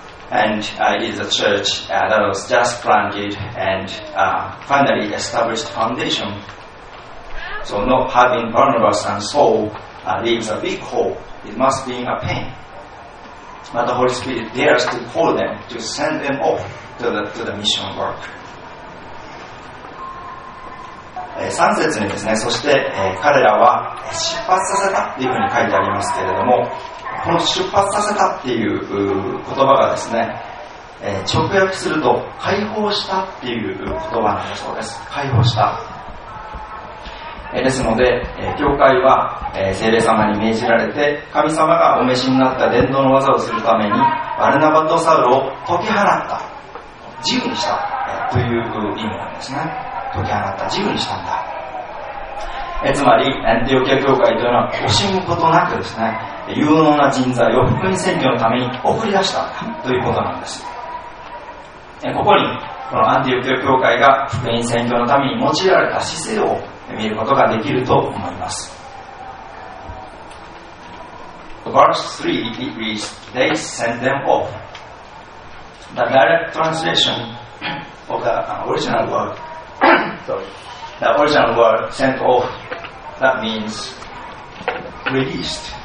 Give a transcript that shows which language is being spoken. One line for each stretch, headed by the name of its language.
English: And it is a church that was just planted and finally established foundation. So not having Barnabas and Saul leaves a big hole. It must be a pain. But the Holy Spirit dares to call them, to send them off to the mission work.
Japanese: 3節にですね、そして彼らは出発させたというふうに書いてありますけれども、この出発させたっていう言葉がですね、直訳すると解放したっていう言葉なんだそうです。解放した。ですので、教会は聖霊様に命じられて、神様がお召しになった伝道の技をするためにバルナバとサウロを解き放った、自由にしたという意味なんですね。解き放った、自由にしたんだ。つまりアンティオキア教会というのは惜しむことなくですね、有能な人材を福音宣教のために送り出したということなんです。ここにこのアンティオキア教会が福音宣教のために用いられた姿勢を見ることができると思います。
English: Verse 3 it reads, they sent them off. The direct translation of the original word. Sorry. The original word sent off, that means released.